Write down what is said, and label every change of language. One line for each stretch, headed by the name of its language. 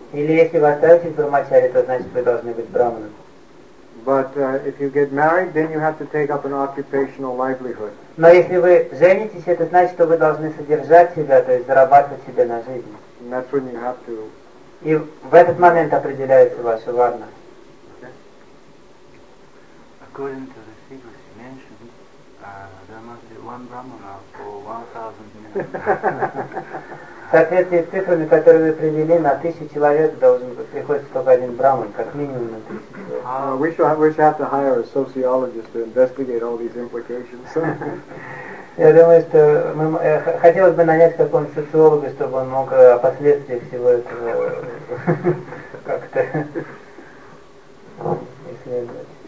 Russian: Или если вы остаетесь брахмачари, то значит вы должны быть брахманом.
English: But if you get married, then you have to take up an occupational livelihood.
Russian: Но если вы женитесь, это значит, что вы должны содержать себя, то есть зарабатывать себе на жизнь.
English: And that's when you have to.
Russian: И в этот момент определяется ваша варна.
English: According to the figures you mentioned, there must be one brahmana for 1,000 men.
Russian: В соответствии с цифрами, которые вы привели, на 1000 человек должен приходится только один брахман, как минимум на 1000 человек.
English: We should have to hire a sociologist to investigate all these implications.
Russian: Я думаю, что хотелось бы нанять какого-нибудь социолога, чтобы он мог о последствиях всего этого как-то исследовать.